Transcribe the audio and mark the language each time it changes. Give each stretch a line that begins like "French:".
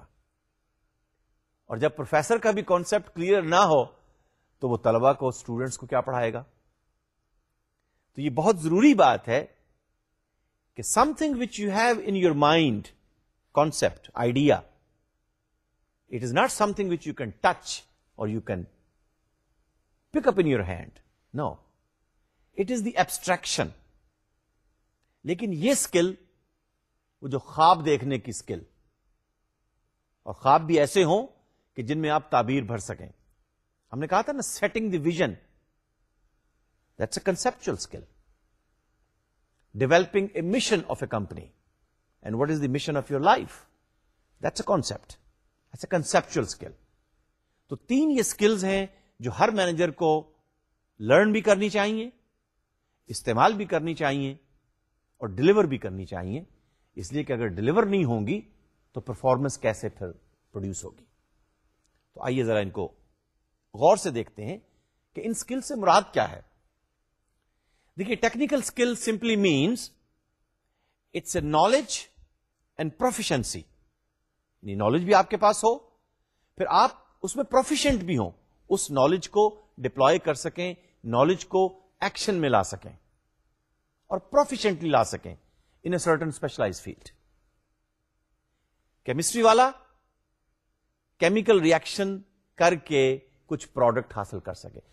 Urdu: اور جب پروفیسر کا بھی کانسیپٹ کلیئر نہ ہو تو وہ طلبہ کو اسٹوڈنٹس کو کیا پڑھائے گا؟ تو یہ بہت ضروری بات ہے کہ
English: Something which you have in your mind concept idea, it is not something which you can touch or you can pick up in your hand. No, it is the abstraction.
Urdu: لیکن یہ skill, وہ جو خواب دیکھنے کی skill, اور خواب بھی ایسے ہوں کہ جن میں آپ تعبیر بھر سکیں. ہم نے کہا تھا نا
English: Setting the vision, that's a conceptual skill. Developing a mission of a company, and what is the mission of your life, that's a concept, that's a conceptual skill.
Urdu: تو تین یہ اسکلز ہیں جو ہر مینیجر کو لرن بھی کرنی چاہیے, استعمال بھی کرنی چاہیے اور ڈلیور بھی کرنی چاہیے. اس لیے کہ اگر ڈلیور نہیں ہوں گی تو پرفارمنس کیسے پھر پروڈیوس ہوگی؟ تو آئیے ذرا ان کو غور سے دیکھتے ہیں کہ ان اسکل سے مراد کیا ہے.
English: دیکھیے, technical skill simply means it's a knowledge and proficiency.
Urdu: Knowledge بھی آپ کے پاس ہو, پھر آپ اس میں پروفیشنٹ بھی ہوں, اس نالج کو ڈپلوائے کر سکیں, نالج کو ایکشن میں لا سکیں اور پروفیشنٹلی لا سکیں
English: In a certain specialise field.
Urdu: Chemistry والا کیمیکل ریئیکشن کر کے کچھ پروڈکٹ حاصل کر سکے.